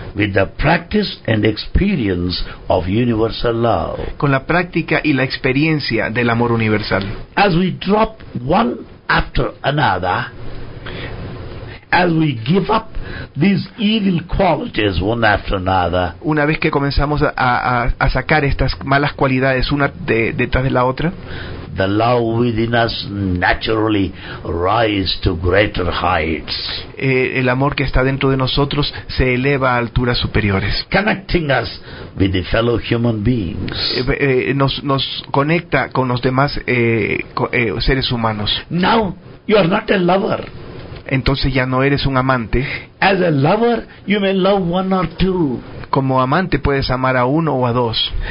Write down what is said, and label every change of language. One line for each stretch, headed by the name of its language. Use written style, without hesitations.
English: with the practice and experience of universal love.
Spanish: Con la práctica y la experiencia del amor universal.
English: As we drop one after another, as we give up these evil qualities one after another,
Spanish: una vez que comenzamos a sacar estas malas cualidades una detrás de la otra,
English: the love within us naturally rises to greater heights.
Spanish: El amor que está dentro de nosotros se eleva a alturas superiores,
English: connecting us with the fellow human beings.
Spanish: Nos conecta con los demás seres humanos.
English: Now you are not a lover.
Spanish: Entonces ya no eres un amante.
English: As a lover, you may love one or two.
Spanish: Como amante puedes amar a uno o a dos.